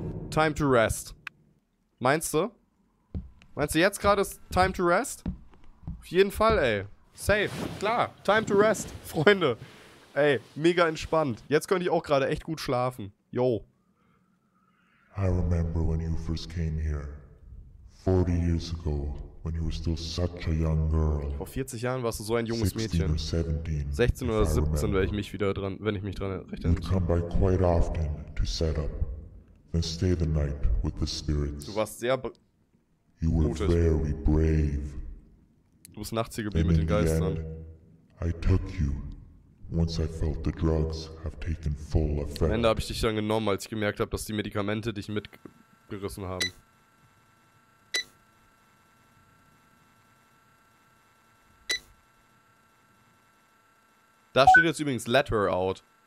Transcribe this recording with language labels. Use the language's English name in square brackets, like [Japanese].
[English] Time to rest. [German] Meinst du? Meinst du, jetzt gerade ist [English] time to rest? [German] Auf jeden Fall, ey. Safe, klar. [English] Time to rest, [German] Freunde. Ey, mega entspannt. Jetzt könnte ich auch gerade echt gut schlafen. Yo. [English] I remember when you first came here. 40 years ago, when you were still such a young girl. [German] Vor 40 Jahren warst du so ein junges Mädchen. 16 oder 17, wenn ich mich dran recht erinnere. [English] You'd come by quite often to set up and stay the night with the spirits. [German] Du warst sehr [English] You were very brave. [German] Du bist nachts hier geblieben mit den Geistern. [English] End, I took you once I felt the drugs have taken full effect. [German] Am Ende habe ich dich dann genommen, als ich gemerkt habe, dass die Medikamente dich mitgerissen haben. Da steht jetzt übrigens Let Her Out.